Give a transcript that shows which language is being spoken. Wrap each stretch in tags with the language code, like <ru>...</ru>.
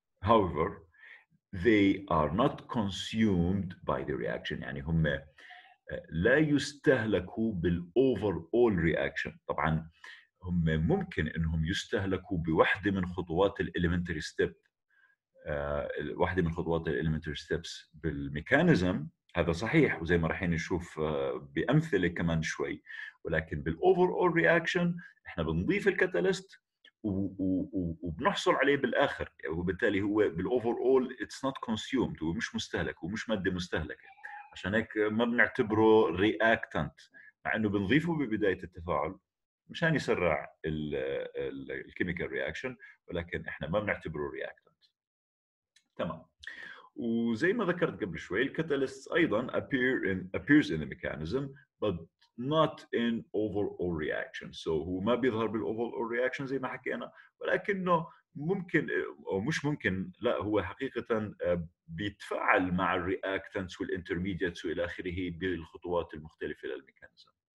<en>However, they are not consumed by the reaction.</en> <ar>يعني هم لا يستهلكوا بالoverall reaction. طبعا هم ممكن انهم يستهلكوا بواحدة من خطوات الelementary step، واحدة من خطوات الelementary steps بالميكانيزم، هذا صحيح وزي ما رحين نشوف بأمثلة كمان شوي، ولكن بالoverall reaction احنا بنضيف الكاتاليست وبنحصل عليه بالآخر، وبالتالي هو بالoverall</ar> <en>it's not consumed،</en> <ar>هو مش مستهلك ومش مادة مستهلكة، عشان هيك ما بنعتبره reactant، مع أنه بنضيفه ببداية التفاعل مشان يسرع الـ chemical reaction، ولكن إحنا ما بنعتبره reactant. تمام، وزي ما ذكرت قبل شوي الكاتاليستس أيضا</ar> <en>appears in the mechanism but not in overall reaction.</en> <ar>So هو ما بيظهر بالoverall reaction زي ما حكينا، ولكنه ممكن أو مش ممكن، لا هو حقيقة بيتفاعل مع الreactants والintermediates وإلى آخره بالخطوات المختلفة للميكانيزم.</ar>